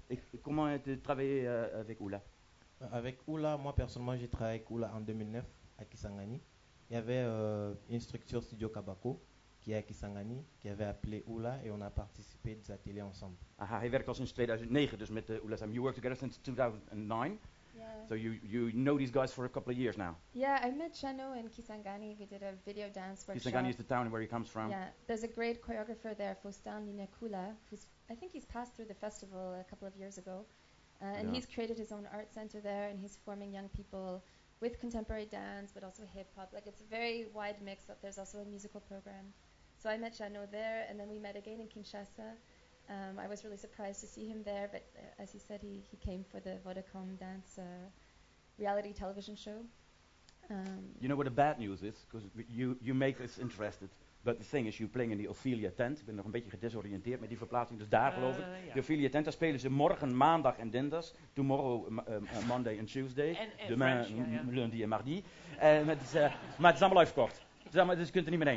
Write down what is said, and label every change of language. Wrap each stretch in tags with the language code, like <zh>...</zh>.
<fr>Et comment tu travailles avec Oula? Avec Oula, moi personnellement, j'ai travaillé avec Oula en 2009 à Kisangani. Il y avait une structure Studio Kabako qui est à Kisangani, qui avait appelé Oula et on a participé des ateliers ensemble. Ah, il travaille depuis 2009, donc avec Oula Sam. Vous travaillez ensemble depuis 2009.</fr> <en>Yeah. So you know these guys for a couple of years now. Yeah, I met Chano in Kisangani. We did a video dance workshop. Kisangani is the town where he comes from. Yeah, there's a great choreographer there, Faustin Ninakula, who's I think he's passed through the festival a couple of years ago, and yeah. He's created his own art center there, and he's forming young people with contemporary dance, but also hip hop. Like it's a very wide mix. Up. There's also a musical program. So I met Chano there, and then we met again in Kinshasa. I was really surprised to see him there, but as he said, he came for the Vodacom dance reality television show. You know what the bad news is? Because you make us interested, but the thing is, you're playing in the Ophelia tent.</en> <nl>Ik ben nog een beetje gedesoriënteerd met die verplaatsing, dus daar geloof ik. De Ophelia tent, daar spelen ze morgen, maandag en dinsdag.</nl> <en>Tomorrow, Monday and Tuesday. And demain, French,</en> <nl>lundi en mardi. Maar het is allemaal live kort. Dus je kunt er niet meer heen.</nl>